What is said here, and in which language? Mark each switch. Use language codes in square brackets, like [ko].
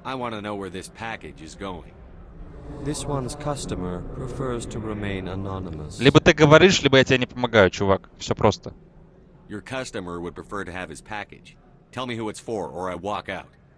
[en] I want to know where this package is going. This one's customer prefers to remain anonymous. [ru] Либо ты говоришь, либо я тебе не помогаю, чувак. Все просто. [en] Your customer would prefer to have his package. Tell me who it's for, or I walk out.